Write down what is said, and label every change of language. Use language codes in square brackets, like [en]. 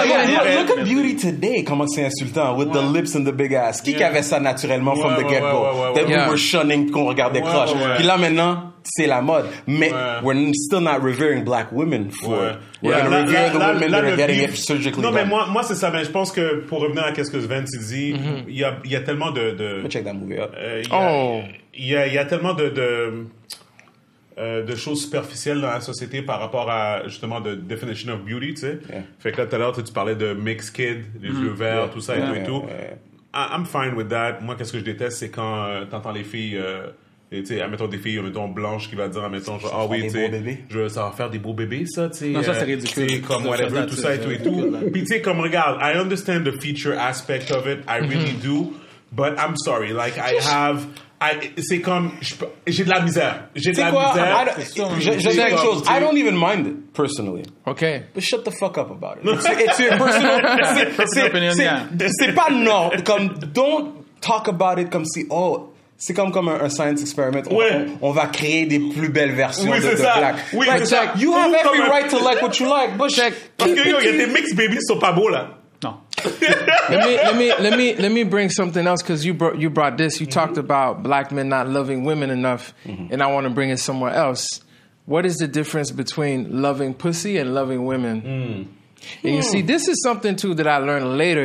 [en] Oh, yeah, look at beauty today. [fr] Comment c'est insultant [en] with the lips and the big ass. [fr] Qui avait ça naturellement [en] from the get-go? We were shunning [fr] qu'on regardait crush. Puis là maintenant, c'est la mode, mais [en] we're still not revering black women for it. We're going to revere the women that are getting it surgically. [fr] Non, mais moi c'est ça. Mais je pense que pour revenir à ce que Vince dit, il y a tellement de [en] check that movie up. [fr] Il y a tellement de de choses superficielles dans la société par rapport à, justement, [en] the definition of beauty, [fr] tu sais. Yeah. Fait que là, tout à l'heure, tu parlais de [en] mixed kid, [fr] les yeux verts, tout ça et tout. [en] I'm fine with that. [fr] Moi, qu'est-ce que je déteste, c'est quand t'entends les filles, tu sais, admettons des filles, admettons blanches qui va dire, admettons, genre, ah oui, tu sais, ça va faire des beaux bébés, ça, tu sais. Non, ça, c'est ridicule. Comme whatever, tout ça et tout et tout. Puis, tu sais, comme regarde, [en] I understand the feature aspect of it, I really do, but I'm sorry, like, I have. [fr] C'est comme j'ai de la misère. J'ai de la misère. Je sais quelque chose. [en] I don't even mind it personally. Okay. But shut the fuck up about it. It's personal. [fr] C'est pas non. Comme [en] don't talk about it [fr] comme si oh c'est comme un [en] science experiment. [fr] On va créer des plus belles versions de Black. Oui c'est ça. [en] You have every right to like what you like. But check. [fr] Parce que yo y a des [en] mixed babies [fr] sont pas beaux là. [en] No. let me bring something else because you brought this. You talked about Black men not loving women enough, and I want to bring it somewhere else. What is the difference between loving pussy and loving women? And you see, this is something too that I learned later.